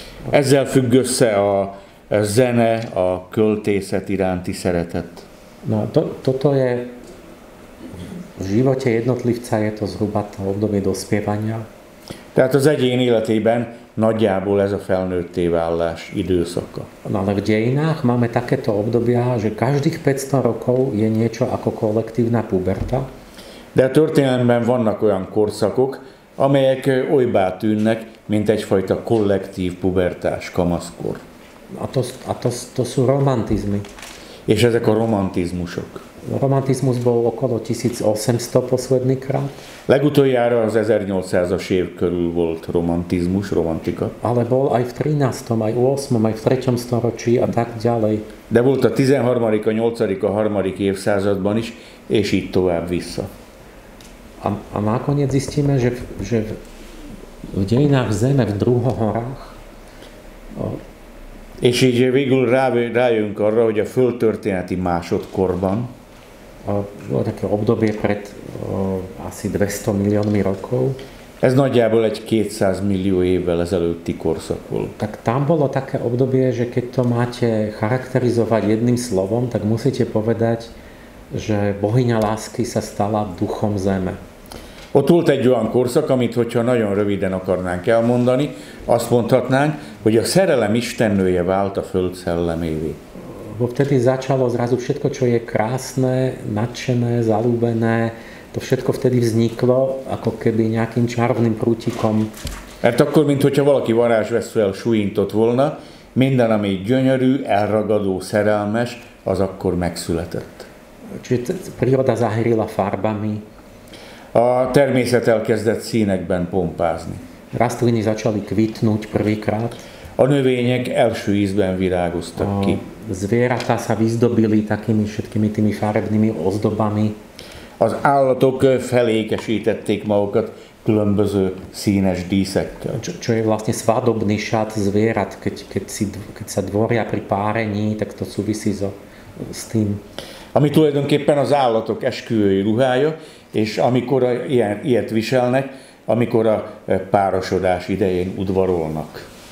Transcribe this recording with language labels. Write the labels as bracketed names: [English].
[Hungarian] Ezzel függ össze a zene, a költészet iránti szeretet. [Slovak] No, toto je v živote jednotlivca, je to zhruba to obdobie dospievania. [Hungarian] Tehát az egyén életében nagyjából ez a felnőtté válás időszaka. [Slovak] No, ale v dejinách máme takéto obdobia, že každých 500 rokov je niečo ako kolektívna puberta. [Hungarian] De a történelemben vannak olyan korszakok, amelyek olybá tűnnek, mint egyfajta kollektív pubertás kamaszkor. [Slovak] A to sú romantizmy. [Hungarian] És ezek a romantizmusok. [Slovak] Romantizmus bol okolo 1800 posledný krát. [Hungarian] Legutoljára az 1800-as év körül volt romantizmus, romantika. [Slovak] Ale bol aj v 13., aj v 8., aj v 3. storočí a tak ďalej. [Hungarian] De volt a 13., a 8., a 3. évszázadban is, és így tovább vissza. [Slovak] A nakoniec zistíme, že v dejinách Zeme, v druhohorách. [Hungarian] És így végül rájönk arra, hogy a földtörténeti másodkorban. [Slovak] Bolo také obdobie pred asi 200 miliónmi rokov. [Hungarian] Ez nagyjából egy 200 millió évvel ezelőtti korszak volt. [Slovak] Tak tam bolo také obdobie, že keď to máte charakterizovať jedným slovom, tak musíte povedať, že bohyňa lásky sa stala duchom Zeme. [Hungarian] Ott volt egy olyan korszak, amit, hogyha nagyon röviden akarnánk elmondani, azt mondhatnánk, hogy a szerelem istennője vált a Föld szellemévé. [Slovak] Bo vtedy začalo zrazu všetko, čo je krásne, nadšené, zalúbené, to všetko vtedy vzniklo, ako keby nejakým čarovným prútikom. [Hungarian] Mert akkor, mint hogyha valaki varázsvesszővel suhintott volna, minden, ami gyönyörű, elragadó, szerelmes, az akkor megszületett. [Slovak] Čiže príroda zahrila farbami. [Hungarian] A természet elkezdett színekben pompázni. [Slovak] Rastliny začali kvitnúť prvýkrát. [Hungarian] A növények első ízben virágoztak ki. [Slovak] Zvieratá sa vyzdobili takými všetkými tými farebnými ozdobami. [Hungarian] Az állatok felékesítették magukat különböző színes díszekkel. [Slovak] Čo je vlastne svadobný šat zvierat, keď sa dvoria pri párení, tak to súvisí s tým. [Hungarian] Ami tulajdonképpen az állatok esküvői ruhája, és amikor ilyet viselnek, amikor a párosodás idején udvarolnak.